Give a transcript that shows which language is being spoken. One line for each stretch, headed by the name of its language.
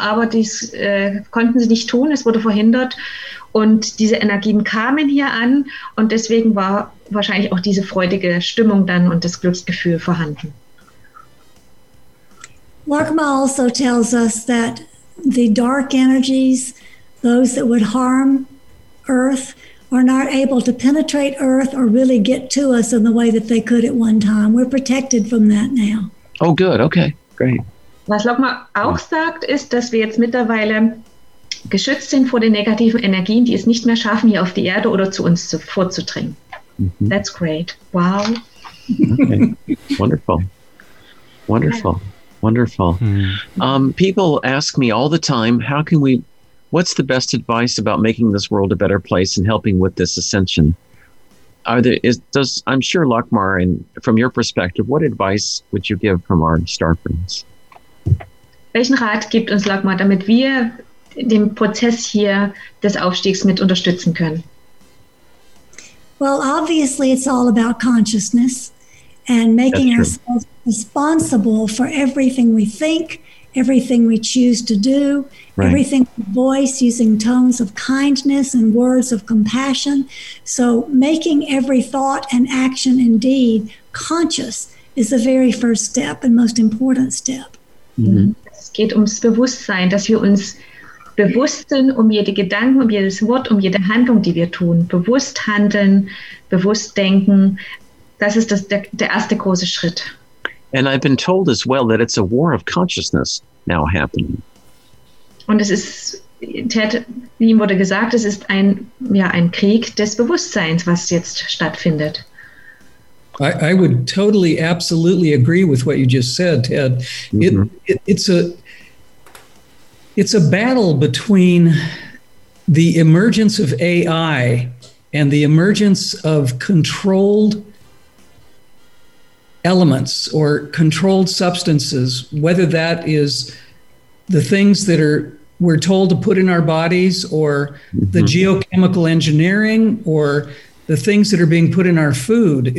German: Aber das konnten sie nicht tun, es wurde verhindert. Und diese Energien kamen hier an und deswegen war wahrscheinlich auch diese freudige Stimmung dann und das Glücksgefühl vorhanden.
English: Lakma also tells us that the dark energies, those that would harm Earth, are not able to penetrate Earth or really get to us in the way that they could at one time. We're protected from that now. Oh, good. Okay, great.
German: Was Lakma auch sagt, ist, dass wir jetzt mittlerweile geschützt sind vor den negativen Energien, die es nicht mehr schaffen, hier auf die Erde oder zu uns vorzudringen.
English: Mm-hmm. That's great. Wow. Okay. Wonderful. Wonderful. Yeah. Wonderful. Mm-hmm. People ask me all the time, what's the best advice about making this world a better place and helping with this ascension? I'm sure Lakmar, and from your perspective, what advice would you give from our star friends?
German: Welchen Rat gibt uns Lakmar, damit wir den Prozess hier des Aufstiegs mit unterstützen können?
English: Well, obviously it's all about consciousness and making ourselves responsible for everything we think, everything we choose to do, right. Everything we voice using tones of kindness and words of compassion. So making every thought and action and deed conscious is the very first step and most important step.
German: Mm-hmm. Es geht ums Bewusstsein, dass wir uns bewusst sind um jede Gedanken, um jedes Wort, um jede Handlung, die wir tun. Bewusst handeln, bewusst denken. Das ist der erste große Schritt.
English: And I've been told as well that it's a war of consciousness now happening.
German: Und es ist, Ted, wie ihm wurde gesagt, es ist ein Krieg des Bewusstseins, was jetzt stattfindet.
English: I would totally, absolutely agree with what you just said, Ted. Mm-hmm. It's a battle between the emergence of AI and the emergence of controlled elements or controlled substances, whether that is the things that we're told to put in our bodies or the geochemical engineering or the things that are being put in our food.